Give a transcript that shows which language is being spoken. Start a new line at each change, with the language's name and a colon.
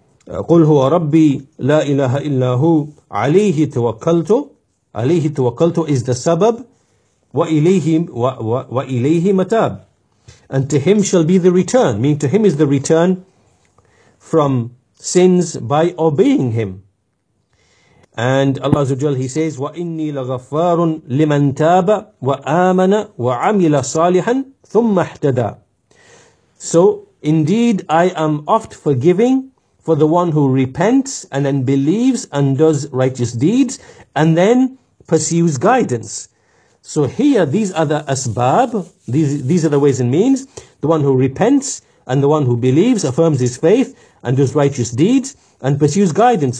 Arabic: قل هو ربي لا إله إلا هو عليه توكلت
English: عليه توكلت is the سبب
Arabic: وإليه متاب
English: and to him shall be the return, meaning to him is the return from sins by obeying him. And Allah Azza wa Jalla, he says,
Arabic: وَإِنِّي لَغَفَّارٌ لِمَنْ تَابَ وَآمَنَ وَعَمِلَ صَالِحًا ثُمَّ اهْتَدَى.
English: So indeed I am oft forgiving for the one who repents and then believes and does righteous deeds and then pursues guidance. So here these are the asbab, these are the ways and means, the one who repents and the one who believes, affirms his faith and does righteous deeds and pursues guidance.